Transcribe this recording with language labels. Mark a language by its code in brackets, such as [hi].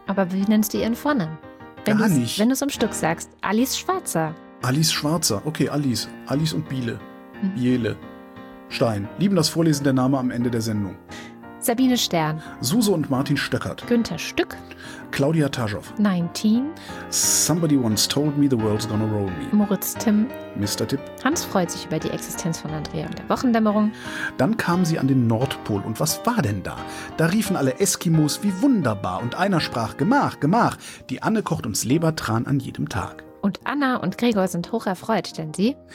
[de] Aber wie nennst du ihren Vornamen? Wenn gar nicht. Wenn du es im Stück sagst. Alice Schwarzer. Alice Schwarzer. Okay, Alice. Alice und Biele. Hm. Biele Stein lieben das Vorlesen der Namen am Ende der Sendung. Sabine Stern. Suse und Martin Stöckert. Günther Stück. Claudia Tajov. 19. [en] Somebody once told me the world's gonna roll me. [de] Moritz Tim. Mr. Tipp. Hans freut sich über die Existenz von Andrea und der Wochendämmerung. Dann kamen sie an den Nordpol. Und was war denn da? Da riefen alle Eskimos wie wunderbar. Und einer sprach, Gemach, Gemach. Die Anne kocht uns Lebertran an jedem Tag. Und Anna und Gregor sind hocherfreut, denn sie